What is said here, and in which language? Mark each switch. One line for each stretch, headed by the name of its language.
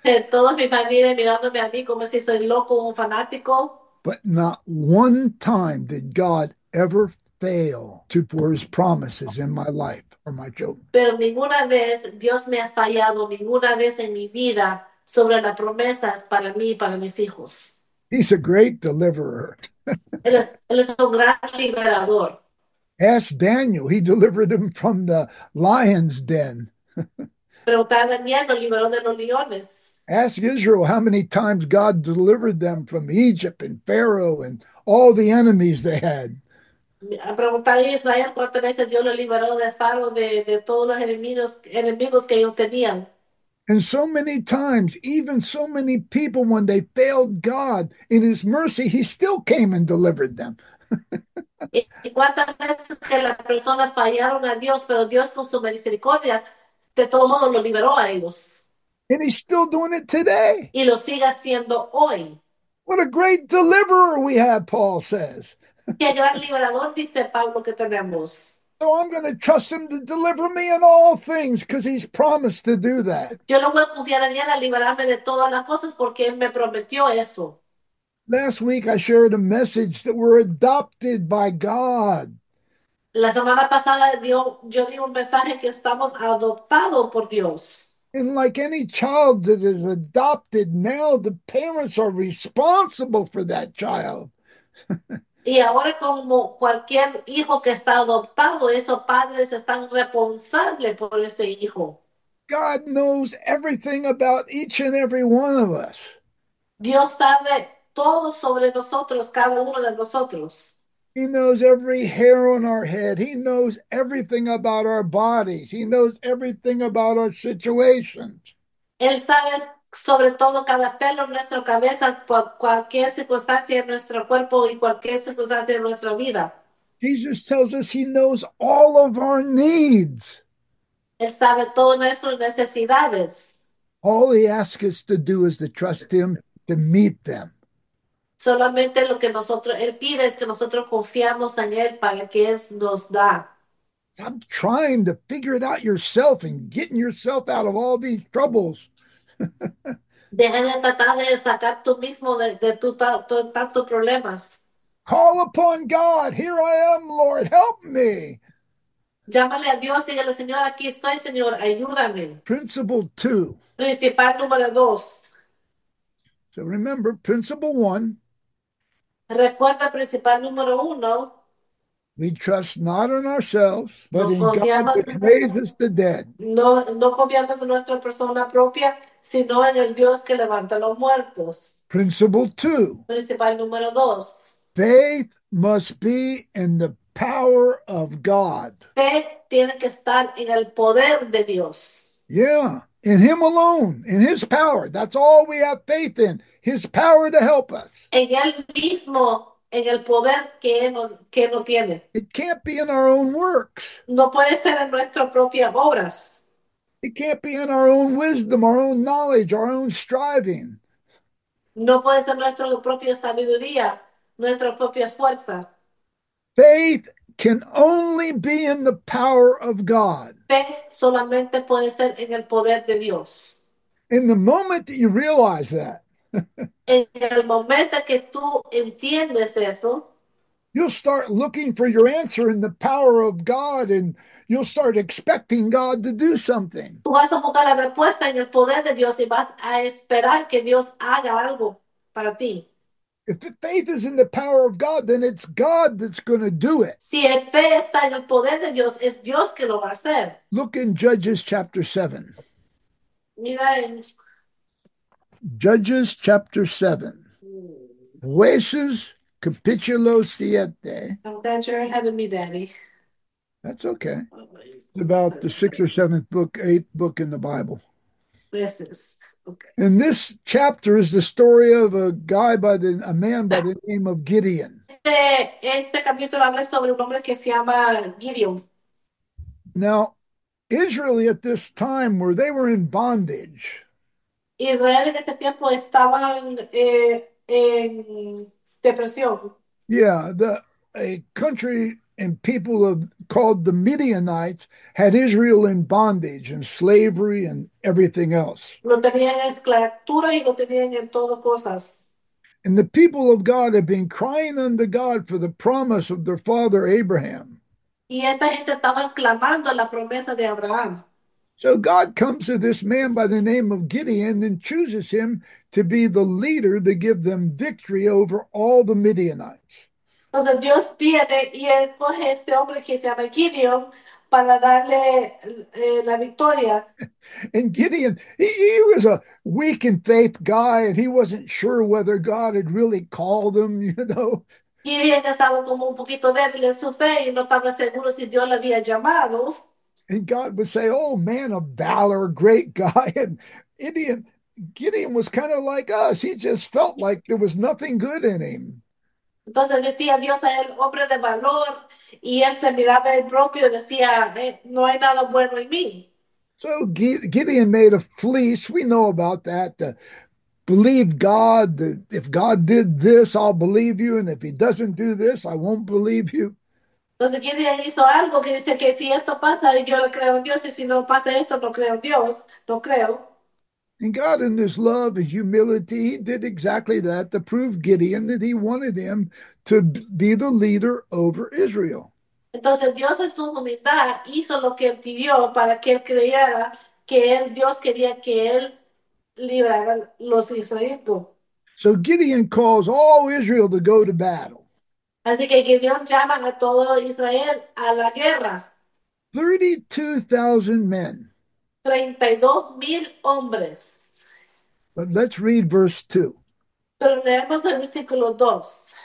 Spanish: Toda mi familia mirándome a mí como si soy loco, un fanático.
English: But not one time did God ever fail to pour his promises in my life or my children.
Spanish: Pero ninguna vez Dios me ha fallado, ninguna vez en mi vida, sobre las promesas para mí y para mis hijos.
English: He's a great deliverer.
Spanish: Él es un gran liberador.
English: Ask Daniel, he delivered him from the lion's den.
Spanish: Pero también lo liberó de los leones.
English: Ask Israel how many times God delivered them from Egypt and Pharaoh and all the enemies they had.
Spanish: A preguntar a Israel cuántas veces Dios lo liberó del faro de todos los enemigos que ellos tenían.
English: And so many times, even so many people, when they failed God in his mercy, he still came and delivered them.
Spanish: Y cuántas veces que las personas fallaron a Dios, pero Dios con su misericordia de todo modo lo liberó a ellos.
English: And he's still doing it today.
Spanish: Y lo sigue haciendo hoy.
English: What a great deliverer we have, Paul says.
Spanish: Qué gran liberador, dice Pablo, que tenemos.
English: So I'm going to trust him to deliver me in all things because he's promised to do that.
Spanish: Yo no voy a confiar en él a liberarme de todas las cosas porque él me prometió eso.
English: Last week I shared a message that we're adopted by God.
Spanish: La semana pasada yo di un mensaje que estamos adoptados por Dios.
English: And like any child that is adopted, now the parents are responsible for that child.
Spanish: Y ahora como cualquier hijo que está adoptado, esos padres están responsables por ese hijo.
English: God knows everything about each and every one of us.
Spanish: Dios sabe todo sobre nosotros, cada uno de nosotros.
English: He knows every hair on our head. He knows everything about our bodies. He knows everything about our situations.
Spanish: Él sabe sobre todo cada pelo en nuestra cabeza, por cualquier circunstancia en nuestro cuerpo y cualquier circunstancia en nuestra vida.
English: Jesus tells us he knows all of our needs.
Spanish: Él sabe todas nuestras necesidades.
English: All he asks us to do is to trust him to meet them.
Spanish: Solamente lo que nosotros, él pide es que nosotros confiamos en él para que él nos da.
English: Stop trying to figure it out yourself and getting yourself out of all these troubles.
Spanish: Deja de tratar de sacar tú mismo de tus tantos problemas.
English: Call upon God. Here I am, Lord. Help me.
Spanish: Llámale a Dios, dígale, Señor, aquí estoy, Señor, ayúdame.
English: Principle two.
Spanish: Principal número dos.
English: So remember, principle one.
Spanish: Recuerda principal número uno.
English: We trust not in ourselves, but
Spanish: No
English: in God which
Spanish: confiamos
English: raises the dead.
Spanish: en nuestra persona propia, sino en el Dios que levanta los muertos.
English: Principle two.
Spanish: Principal número dos.
English: Faith must be in the power of God.
Spanish: Fe tiene que estar en el poder de Dios.
English: Yeah, in Him alone, in His power. That's all we have faith in, His power to help us.
Spanish: En él mismo, en el poder que no tiene.
English: It can't be in our own works.
Spanish: No puede ser en nuestras propias obras.
English: It can't be in our own wisdom, our own knowledge, our own striving.
Spanish: No puede ser nuestra propia sabiduría, nuestra propia fuerza.
English: Faith can only be in the power of God.
Spanish: Fe solamente puede ser en el poder de Dios.
English: In the moment that you realize that,
Spanish: En el momento que tú entiendes eso,
English: you'll start looking for your answer in the power of God, and you'll start expecting God to do something.
Spanish: tú vas a buscar la respuesta en el poder de Dios y vas a esperar que Dios haga algo para ti.
English: If the faith is in the power of God, then it's God that's going to do it.
Spanish: Si el fe está en el poder de Dios, es Dios que lo va a hacer.
English: Look in Judges chapter 7.
Spanish: Mira en...
English: Judges chapter 7.
Spanish: Jueces capítulo 7.
English: glad you're ahead of me, Daddy. That's okay. It's Oh, about the sixth or seventh book, eighth book in the Bible. this is okay. And this chapter is the story of a man by the name of Gideon.
Spanish: Este capítulo habla sobre un hombre que se llama Gideon.
English: Now, Israel at this time, where they were in bondage,
Spanish: Israel en este tiempo estaban en depresión.
English: a country and people of called the Midianites had Israel in bondage and slavery and everything else.
Spanish: Lo tenían en esclavitud y lo tenían en todo cosas.
English: And the people of God had been crying unto God for the promise of their father Abraham.
Spanish: Y esta gente estaba clamando la promesa de Abraham.
English: So God comes to this man by the name of Gideon and chooses him to be the leader to give them victory over all the Midianites.
Spanish: Entonces Dios viene y él coge este hombre que se llama Gideon para darle la victoria.
English: And Gideon, he was a weak in faith guy, and he wasn't sure whether God had really called him, you know.
Spanish: Gideon estaba como un poquito débil en su fe y no estaba seguro si Dios le había llamado.
English: And God would say, oh, man of valor, great guy. And Gideon was kind of like us. He just felt like there was nothing good in him.
Spanish: Entonces decía Dios a él, hombre de valor, y él se miraba el propio y decía, no hay nada bueno en mí.
English: So Gideon made a fleece. We know about that. Believe God. If God did this, I'll believe you. And if he doesn't do this, I won't believe you.
Spanish: Entonces, ¿quién hizo algo que dice que si esto pasa, yo lo creo en Dios, y si no pasa esto, no creo en Dios, no creo?
English: And God, in his love and humility, he did exactly that to prove Gideon that he wanted him to be the leader over Israel.
Spanish: Entonces, Dios en su humildad hizo lo que él pidió para que él creyera que él, Dios quería que él librara los israelitas.
English: So Gideon calls all Israel to go to battle.
Spanish: Así que Gideon llama a todo Israel a la guerra.
English: 32,000 men.
Spanish: 32.000 hombres.
English: But let's read verse 2.
Spanish: Pero leemos el versículo 2.